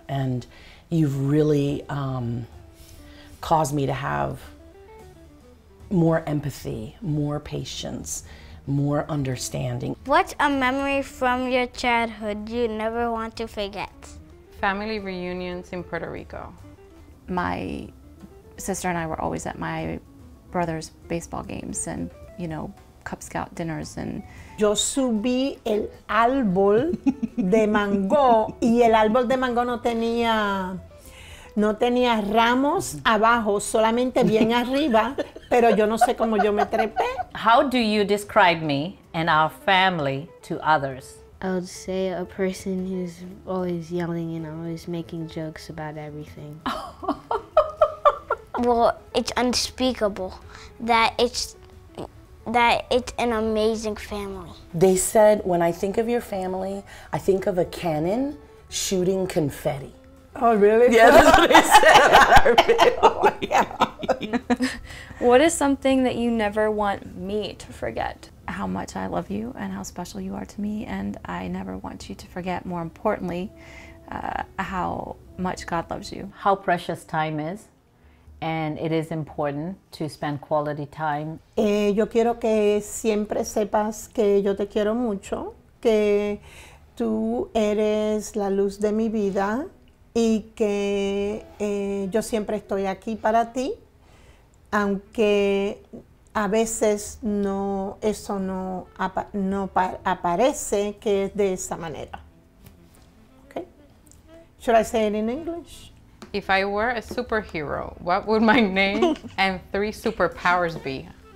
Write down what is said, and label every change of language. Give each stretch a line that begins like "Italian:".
English: And you've really caused me to have more empathy, more patience, more understanding. What's a memory from your childhood you never want to forget? Family reunions in Puerto Rico. My sister and I were always at my brother's baseball games and, you know, Cub Scout dinners and...
Spanish: Yo subí el árbol de mango y el árbol de mango no tenía ramos abajo, solamente bien arriba, pero yo no sé cómo yo me trepé.
English: How do you describe me and our family to others? I would say a person who's always yelling and always making jokes about everything. Well, it's unspeakable that it's an amazing family. They said, when I think of your family, I think of a cannon shooting confetti. Oh, really? Yeah, that's what they said about our family. What is something that you never want me to forget? How much I love you and how special you are to me, and I never want you to forget, more importantly, how much God loves you. How precious time is, and it is important to spend quality time.
Spanish: Yo quiero que siempre sepas que yo te quiero mucho, que tú eres la luz de mi vida, y que yo siempre estoy aquí para ti, aunque a veces no aparece que es de esa manera.
English: Okay. Should I say it in English? If I were a superhero, what would my name and three superpowers be?